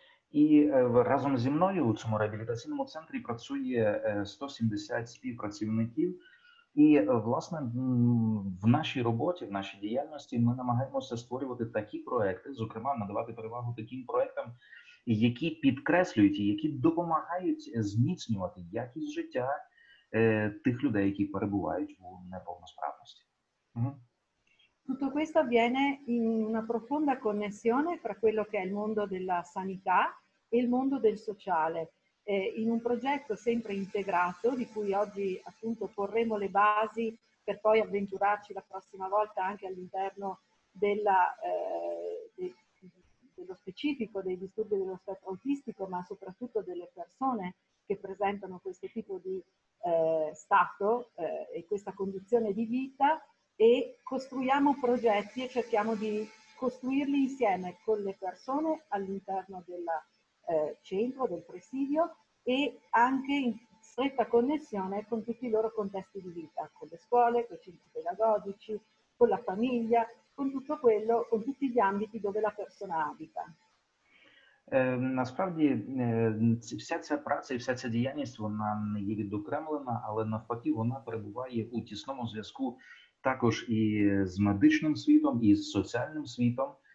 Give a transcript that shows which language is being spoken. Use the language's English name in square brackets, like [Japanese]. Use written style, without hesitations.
[Ukrainian] І разом зі мною у цьому реабілітаційному центрі працює 170 співпрацівників. І, власне, в нашій роботі, в нашій діяльності ми намагаємося створювати такі проекти, зокрема, надавати перевагу таким проектам, які підкреслюють і які допомагають зміцнювати якість життя тих людей, які перебувають у неповносправності. Угу. [Italian] Tutto questo avviene in una profonda connessione fra quello che è il mondo della sanità e il mondo del sociale, in un progetto sempre integrato, di cui oggi appunto porremo le basi per poi avventurarci la prossima volta anche all'interno dello specifico dei disturbi dello spettro autistico, ma soprattutto delle persone che presentano questo tipo di stato e questa condizione di vita. E costruiamo progetti e cerchiamo di costruirli insieme con le persone all'interno del centro, del presidio, e anche in stretta connessione con tutti i loro contesti di vita, con le scuole, con i centri pedagogici, con la famiglia, con tutto quello, con tutti gli ambiti dove la persona abita. [Ukrainian] Насправді вся ця праця і вся ця діяльність, вона не є відокремлена, але навпаки вона перебуває у тісному зв'язку також і з медичним світом, і з соціальним світом.